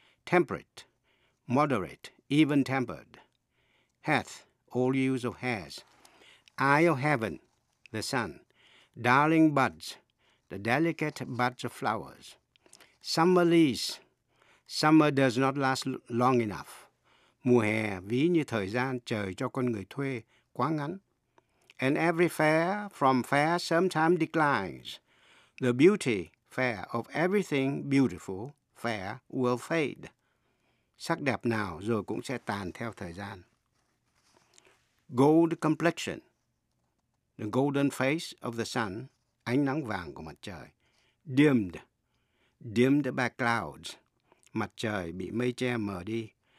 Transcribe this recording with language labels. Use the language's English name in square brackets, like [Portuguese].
[English] Temperate, moderate, even-tempered. Hath, all use of has. Eye of heaven, the sun. Darling buds, the delicate buds of flowers. Summer lease, summer does not last long enough. [Vietnamese] Mùa hè ví như thời gian trời cho con người thuê quá ngắn. [English] And every fair from fair sometime declines. The beauty fair of everything beautiful fair will fade. [Vietnamese] Sắc đẹp nào rồi cũng sẽ tàn theo thời gian. [English] Gold complexion. The golden face of the sun. [Vietnamese] Ánh nắng vàng của mặt trời. [English] Dimmed. Dimmed by clouds. [Vietnamese] Mặt trời bị mây che mờ đi.